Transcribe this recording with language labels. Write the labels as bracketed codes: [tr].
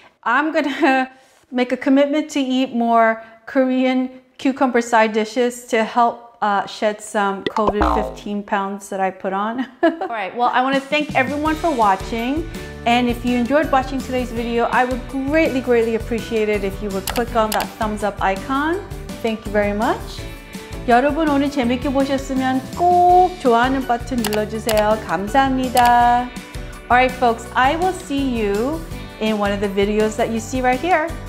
[en] I'm gonna make a commitment to eat more Korean cucumber side dishes to help shed some COVID 15 pounds that I put on. All right, well, I wanna thank everyone for watching. And if you enjoyed watching today's video, I would greatly, greatly appreciate it if you would click on that thumbs up icon. Thank you very much. [ko] 여러분, 오늘 재밌게 보셨으면 꼭 좋아하는 버튼 눌러주세요. 감사합니다. [en] All right, folks, I will see you in one of the videos that you see right here.